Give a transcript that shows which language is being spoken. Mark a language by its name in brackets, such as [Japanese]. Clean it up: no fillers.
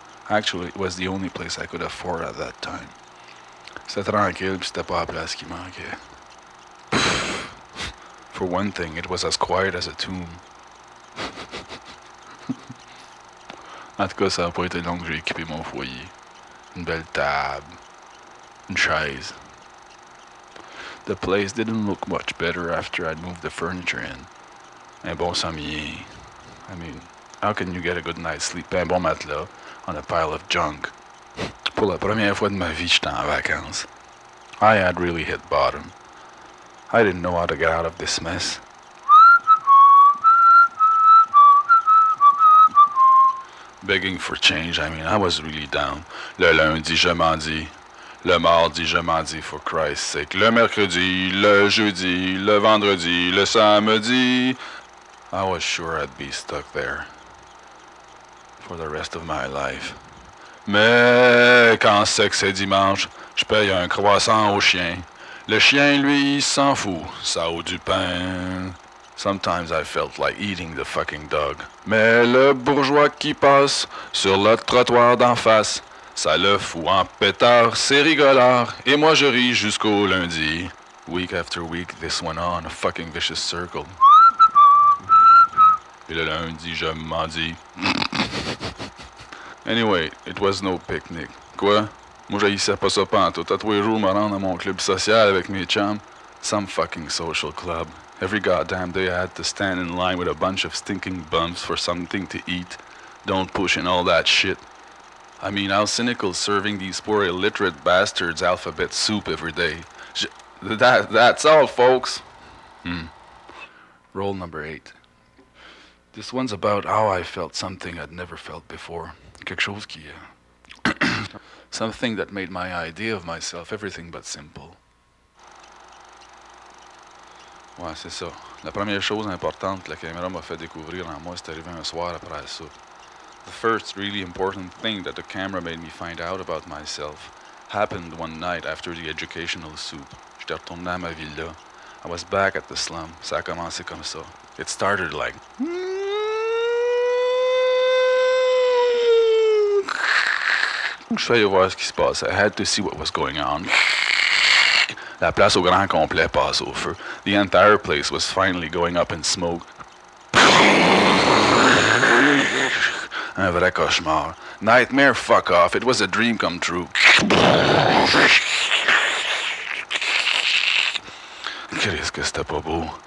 [English] Actually, it was the only place I could afford at that time. [French] C'était tranquille, pis c'était pas la place qui manquait. [English] For one thing, it was as quiet as a tomb. [French] En tout cas, ça a pas été long que j'ai équipé mon foyer. Une belle table. Une chaise. [English] The place didn't look much better after I'd moved the furniture in. [French] Un bon sommier. [English] I mean, how can you get a good night's sleep, [French] un bon matelas, [English] on a pile of junk? [French] Pour la première fois de ma vie, j'étais en vacances. [English] I had really hit bottom. I didn't know how to get out of this mess. Begging for change, I mean, I was really down. [French] Le lundi, je m'en dis. Le mardi, je m'en dis, [English] for Christ's sake. [French] Le mercredi, le jeudi, le vendredi, le samedi. [English] I was sure I'd be stuck there for the rest of my life. [French] Mais quand c'est que c'est dimanche, je paye un croissant au chien. Le chien, lui, s'en fout, ça a du pain. [English] Sometimes I felt like eating the fucking dog. [French] Mais le bourgeois qui passe sur le trottoir d'en face, ça le fout en pétard, c'est rigolard. Et moi, je ris jusqu'au lundi. [English] Week after week, this went on, a fucking vicious circle. Et le lundi, je m'en dis. Anyway, it was no picnic. [French] Quoi? Moi, j'haïssais pas ça pantoute. À tous les jours, me rendre à mon club social avec mes chums. [English] Some fucking social club. Every goddamn day, I had to stand in line with a bunch of stinking bums for something to eat. Don't push in all that shit. I mean, how cynical serving these poor illiterate bastards alphabet soup every day. That's all, folks. Rule number 8. This one's about how I felt something I'd never felt before. [French] Quelque chose qui... [English] Something that made my idea of myself everything but simple. [French] Ouais, c'est ça. La première chose importante que la caméra m'a fait découvrir en moi, c'est arrivé un soir après la soupe. [English] The first really important thing that the camera made me find out about myself happened one night after the educational soup. [French] J'étais retourné à ma villa. [English] I was back at the slum. [French] Ça a commencé comme ça. [English] It started like... [French] Je suis allé voir ce qui se passe. [English] I had to see what was going on. [French] La place au grand complet passe au feu. [English] The entire place was finally going up in smoke. [French] Un vrai cauchemar. [English] Nightmare, fuck off. It was a dream come true. [French] Christ, que c'était pas beau.